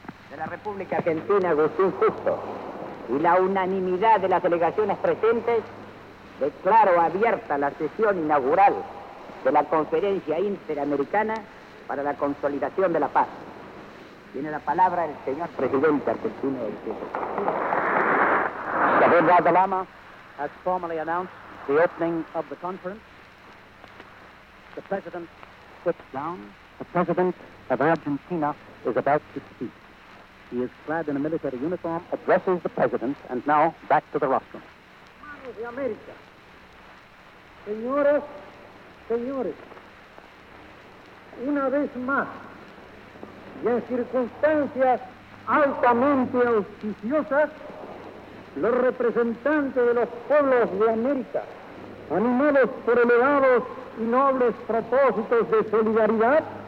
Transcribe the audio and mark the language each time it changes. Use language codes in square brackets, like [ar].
[es] De la República Argentina, Agustín Justo, y la unanimidad de las delegaciones presentes, declaro abierta la sesión inaugural de la Conferencia Interamericana para la Consolidación de la Paz. Tiene la palabra el señor presidente argentino. [en] Saavedra da Lama has formally announced the opening of the conference. The president sits down. The president of Argentina is about to speak. He is clad in a military uniform, addresses the president, and now back to the rostrum. [es] Manos de América, señoras, señores, una vez más, y en circunstancias altamente auspiciosas, los representantes de los pueblos de América, animados por elevados y nobles propósitos de solidaridad,